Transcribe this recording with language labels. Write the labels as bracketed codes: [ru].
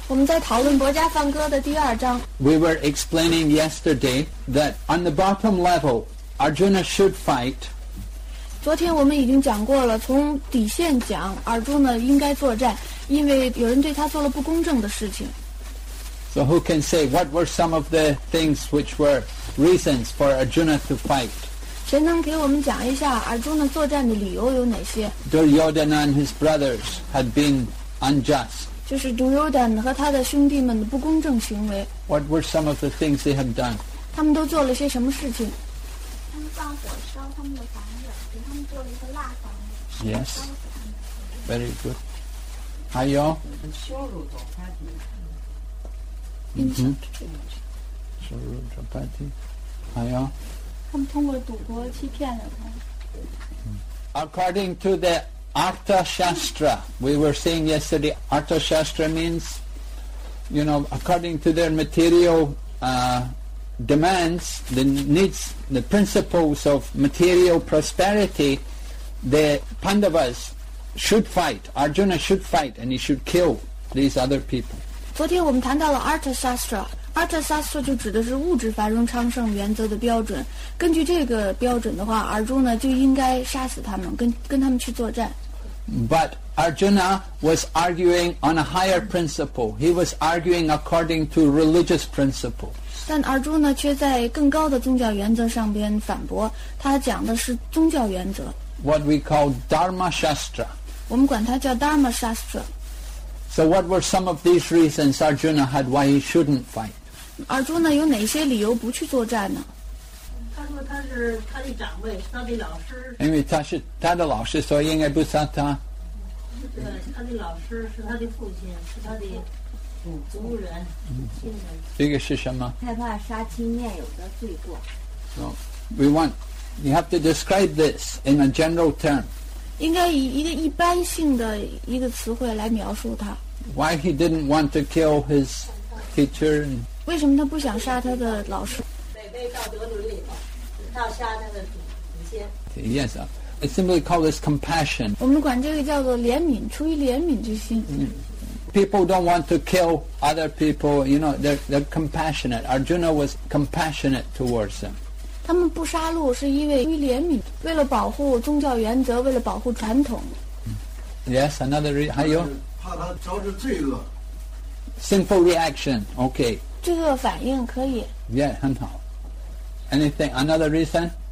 [zh] 我们在讨论博迦梵歌的第二章。 [en] We were explaining yesterday that on the bottom level, Arjuna should fight. [zh] 昨天我们已经讲过了，从底线讲，阿朱呢应该作战，因为有人对他做了不公正的事情。 [en] So who can say what were some of the things which were reasons for Arjuna to fight? [zh] 谁能给我们讲一下阿朱呢作战的理由有哪些 [en] ？Duryodhana and his brothers had been unjust. [zh] 就是 Duryodhana 和他的兄弟们的不公正行为。 [en] What were some of the things they had done? [zh] 他们都做了些什么事情？他们放火烧他们的房子，给他们做了一个蜡房子。 [en] Yes. Very good. [zh] 还有？羞辱多巴提。嗯哼。羞辱多巴提。还有？他们通过赌博欺骗了他。 [en] According to the Arthashastra, we were saying yesterday, Arthashastra means, you know, according to their material demands, the needs, the principles of material prosperity, the Pandavas should fight, Arjuna should fight, and he should kill these other people. [zh] 昨天我们谈到了 Arthashastra. Arthashastra 就指的是物质繁荣昌盛原则的标准。根据这个标准的话，阿朱呢就应该杀死他们，跟他们去作战。 [en] But Arjuna was arguing on a higher principle. He was arguing according to religious principle. [zh] 但阿朱呢却在更高的宗教原则上边反驳，他讲的是宗教原则。 [en] What we call Dharma Shastra. [zh] 我们管它叫 Dharma Shastra. [en] So what were some of these reasons Arjuna had why he shouldn't fight? [zh] Arjuna 有哪些理由不去作战呢？他说他是他的长辈，他的老师。因为他是他的老师，所以应该不杀他。对，他的老师是他的父亲，是他的祖人，亲人。这个是什么？害怕杀妻念友的罪过。 [en] So we want you have to describe this in a general term. [zh] 应该以一个一般性的一个词汇来描述他。 [en] Why he didn't want to kill his teacher? [zh] 为什么他不想杀他的老师？违背道德伦理嘛，要杀他的祖先。 [en] Yes, I simply call this compassion. [zh] 我们管这个叫做怜悯，出于怜悯之心。 [en] People don't want to kill other people. You know, they're compassionate. Arjuna was compassionate towards them. [zh] 他们不杀戮是因为出于怜悯，为了保护宗教原则，为了保护传统。 [en] Yes, another reason. [zh] 还有怕他招致罪恶。 [en] Sinful reaction, okay. [zh] 罪恶反应可以。 [en] Yeah, [zh] 很好。 [en] Anything? Another reason?